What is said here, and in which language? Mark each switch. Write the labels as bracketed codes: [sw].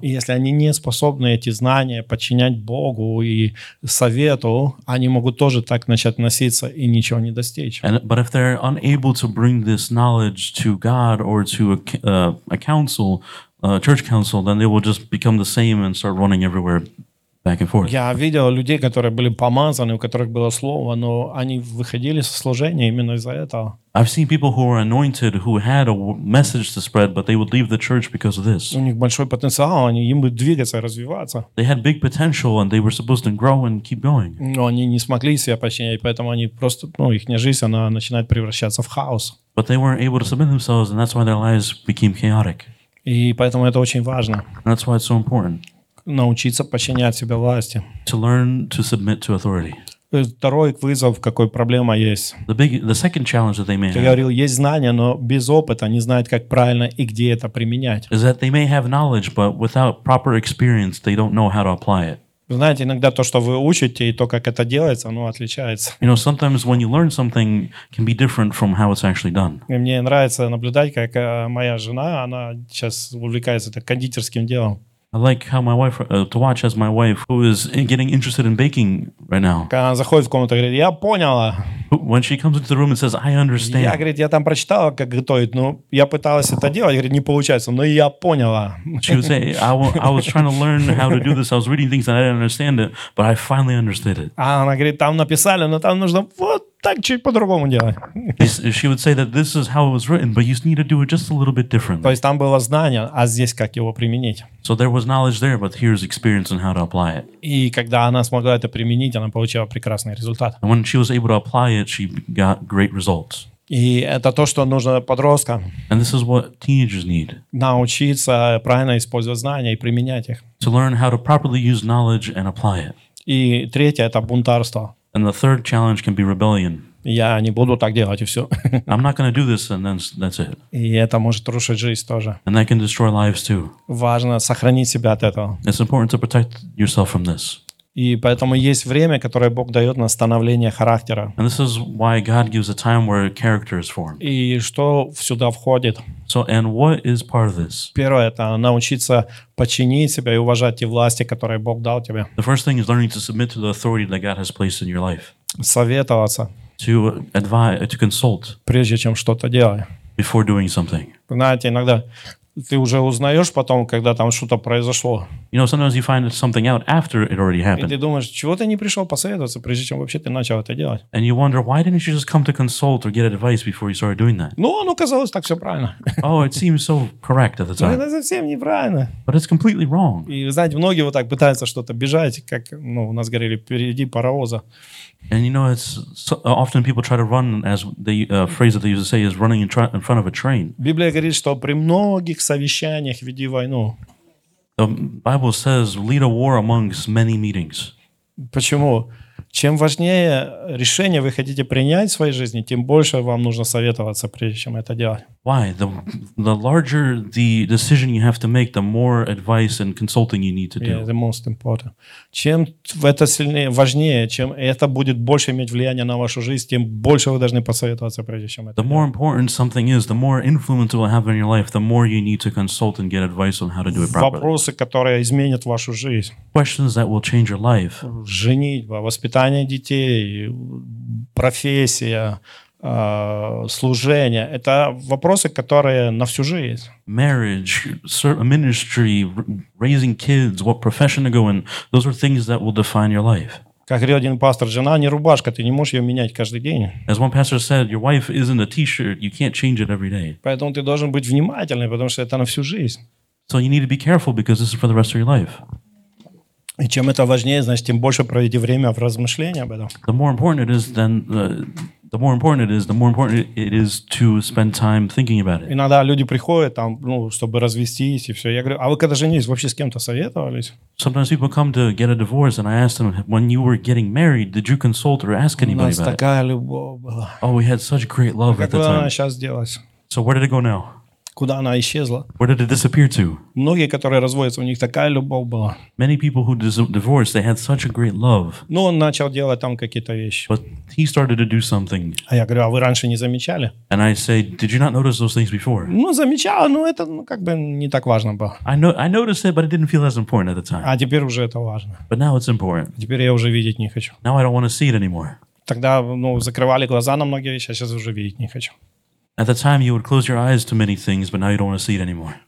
[ru] И если они не способны эти знания подчинять Богу и совету, они могут тоже так начать носиться и ничего не достичь. [en] But if they're unable to bring this knowledge to God or to a council, a church council, then they will just become the same and start running everywhere back and forth. [ru] Я видел людей, которые были помазаны, у которых было слово, но они выходили со служения именно из-за этого. [en] I've seen people who were anointed who had a message to spread, but they would leave the church because of this. [ru] У них большой потенциал, они им бы двигаться, развиваться. [en] They had big potential and they were supposed to grow and keep going. [ru] Но они не смогли себя подчинять, поэтому они просто, ну, их жизнь она начинает превращаться в хаос. [en] But they weren't able to submit themselves, and that's why their lives became chaotic. [ru] И поэтому это очень важно. [en] That's why it's so important. [ru] Научиться подчинять себя власти. [en] To learn to submit to authority. [ru] Второй вызов, какой проблема есть. [en] The second challenge that they may have. [ru] Я говорил, есть знания, но без опыта не знают, как правильно и где это применять. [en] Is that they may have knowledge, but without proper experience, they don't know how to apply it. [ru] Знаете, иногда то, что вы учите, и то, как это делается, оно отличается. [en] You know, sometimes when you learn something, can be different from how it's actually done. [ru] И мне нравится наблюдать, как моя жена, она сейчас увлекается это кондитерским делом. [en] I like how my wife to watch as my wife who is getting interested in baking right now. [ru] Когда она заходит в комнату, говорит, я поняла. [en] When she comes into the room and says, I understand. [ru] Я, говорит, я там прочитала, как готовить, но я пыталась это делать, говорит, не получается, но я поняла. [en] She would say, I was trying to learn how to do this. I was reading things and I didn't understand it, but I finally understood it. [ru] А она говорит, там написали, но там нужно вот так чуть по-другому делать. [en] She would say that this is how it was written, but you need to do it just a little bit differently. [ru] То есть там было знание, а здесь как его применить? [en] So there was knowledge there, but here's experience on how to apply it. [ru] И когда она смогла это применить, она получила прекрасный результат. [en] And when she was able to apply it, she got great results. [ru] И это то, что нужно подросткам. [en] And this is what teenagers need. [ru] Научиться правильно использовать знания и применять их. [en] To learn how to properly use knowledge and apply it. [ru] И третье — это бунтарство. [en] And the third challenge can be rebellion. [ru] Я не буду так делать, и все. [en] I'm not going to do this, and then that's it. [ru] И это может рушить жизнь тоже. [en] And that can destroy lives too. [ru] Важно сохранить себя от этого. [en] It's important to protect yourself from this. [ru] И поэтому есть время, которое Бог дает на становление характера. [en] And this is why God gives a time where character is formed. [ru] И что сюда входит? [en] So, and what is part of this? [ru] Первое — это научиться подчинить себя и уважать те власти, которые Бог дал тебе. [en] The first thing is learning to submit to the authority that God has placed in your life. [ru] Советоваться. [en] To advise, to consult. [ru] Прежде чем что-то делать. [en] Before doing something. [ru] Знаете, иногда ты уже узнаешь потом, когда там что-то произошло. [en] You know, sometimes you find something out after it already happened. [ru] И ты думаешь, чего ты не пришел посоветоваться, прежде чем вообще ты начал это делать? [en] And you wonder, why didn't you just come to consult or get advice before you started doing that? [ru] Ну, оно казалось так все правильно. [en] Oh, it seems so correct at the time. [ru] Но это совсем неправильно. [en] But it's completely wrong. [ru] И, знаете, многие вот так пытаются что-то бежать, как, ну, у нас говорили, впереди паровоза. [en] And you know, it's so, often people try to run, as the phrase that they used to say is running in front of a train. [ru] Библия говорит, что при многих совещаниях веди войну. [en] The Bible says, lead a war amongst many meetings. [ru] Почему? Чем важнее решение вы хотите принять в своей жизни, тем больше вам нужно советоваться, прежде чем это делать. [en] Why? The larger the decision you have to make, the more advice and consulting you need to do. Yeah, the most important. [ru] Чем это сильнее, важнее, чем это будет больше иметь влияние на вашу жизнь, тем больше вы должны посоветоваться, прежде чем это делать. [en] The more important something is, the more influence it will have in your life, the more you need to consult and get advice on how to do it properly. [ru] Вопросы, которые изменят вашу жизнь. [en] Questions that will change your life. [ru] Женитьба, воспитание детей, профессия, служение – это вопросы, которые на всю жизнь. [en] Marriage, ministry, raising kids, what profession to go in – those are things that will define your life. [ru] Как говорил один пастор, жена не рубашка, ты не можешь ее менять каждый день. [en] As one pastor said, your wife isn't a t-shirt, you can't change it every day. [ru] Поэтому ты должен быть внимательным, потому что это на всю жизнь. [en] So you need to be careful because this is for the rest of your life. [ru] И чем это важнее, значит, тем больше проведи время в размышлении об этом. [en] The more important it is, then the more important it is, the more important it is to spend time thinking about it. [ru] Иногда люди приходят там, ну, чтобы развестись и все. Я говорю, а вы когда женились, вообще с кем-то советовались? [en] Sometimes people come to get a divorce, and I ask them, when you were getting married, did you consult or ask anybody about it? [ru] У нас такая любовь была. [en] Oh, we had such great love at the time. [ru] Куда она сейчас делась? [en] So where did it go now? [ru] Куда она исчезла? [en] Where did it disappear to? [ru] Многие, которые разводятся, у них такая любовь была. [en] Many people who divorced, they had such a great love. [ru] Но он начал делать там какие-то вещи. [en] But he started to do something. [ru] А я говорю, а вы раньше не замечали? [en] And I say, did you not notice those things before? [ru] Ну, замечал, но это, ну, как бы не так важно было. [en] I noticed it, but it didn't feel as important at the time. [ru] А теперь уже это важно. [en] But now it's important. [ru] Теперь я уже видеть не хочу. [en] Now I don't want to see it anymore. [ru] Тогда, ну, закрывали глаза на многие вещи, а сейчас уже видеть не хочу. [en] At the time, you would close your eyes to many things, but now you don't want to see it anymore.